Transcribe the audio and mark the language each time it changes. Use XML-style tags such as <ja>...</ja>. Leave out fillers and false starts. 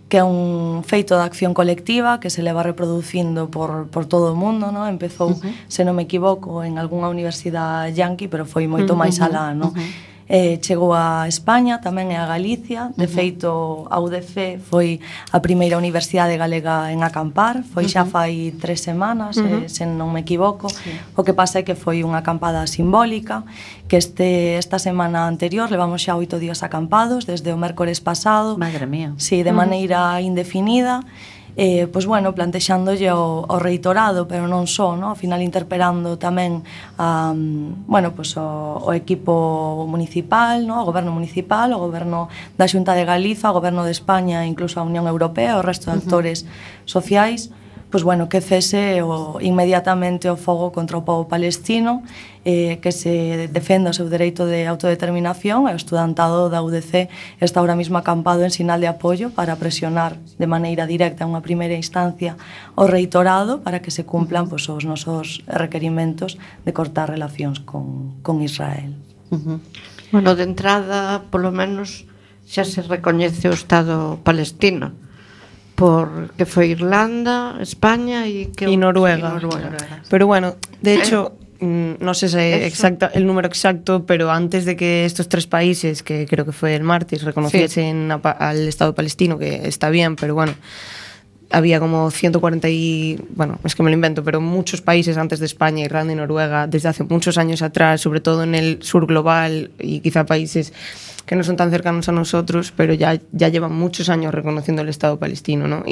<gl>Que é un feito de acción colectiva que se leva reproducindo por todo o mundo, ¿no? Empezou, se non me equivoco, en algunha universidade yanqui, pero foi moito máis alá, ¿no? Chegou a España, tamén é a Galicia. De feito, a UDC foi a primeira universidade galega en acampar. Foi xa fai 3 semanas, se non me equivoco. Sí. O que pasa é que foi unha acampada simbólica, que esta semana anterior levamos xa 8 días acampados, desde o mércores pasado. Madre mía. Sí, de maneira indefinida. Pois bueno, plantexándolle o reitorado, pero non só, no? Ao final interpelando tamén bueno, pues o equipo municipal, no? O goberno municipal, o goberno da Xunta de Galiza, o goberno de España, incluso a Unión Europea, o resto de actores sociais, pues bueno, que cese inmediatamente o fogo contra o povo palestino, que se defenda o seu dereito de autodeterminación. O estudantado da UDC está ahora mismo acampado en sinal de apoio para presionar de maneira directa, unha primeira instancia, o reitorado para que se cumplan, pues, os nosos requerimentos de cortar relacións con Israel. Uh-huh. Bueno, de entrada, polo menos, xa se recoñece o Estado palestino. Porque foi Irlanda, España e Noruega.</gl> <es>Pero bueno, de hecho,</es> <gl>non sei se exacto</gl> <es>el número exacto, pero antes de que estos tres países, que creo que foi el martes, reconociesen al Estado palestino, que está bien, pero bueno, había como 140 y, bueno, es que me lo invento, pero muchos países antes de España, Irlanda y Noruega, desde hace muchos años atrás, sobre todo en el sur global y quizá países que no son tan cercanos a nosotros, pero ya llevan muchos años reconociendo el Estado palestino, ¿no?</es>